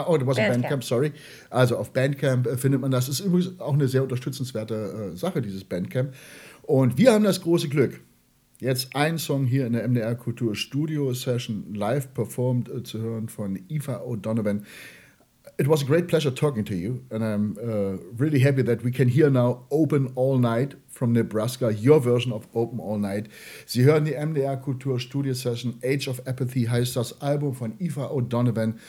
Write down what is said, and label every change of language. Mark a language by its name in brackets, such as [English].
[English] Oh, it wasn't Bandcamp, sorry. [German] Also auf Bandcamp findet man das. Das ist übrigens auch eine sehr unterstützenswerte Sache, dieses Bandcamp. Und wir haben das große Glück, jetzt einen Song hier in der MDR Kultur Studio Session live performed zu hören von IFA O'Donovan. [English] It was a great pleasure talking to you and I'm really happy that we can hear now Open All Night from Nebraska, your version of Open All Night. [German] Sie hören die MDR Kultur Studio Session, Age of Apathy heißt das Album von IFA O'Donovan.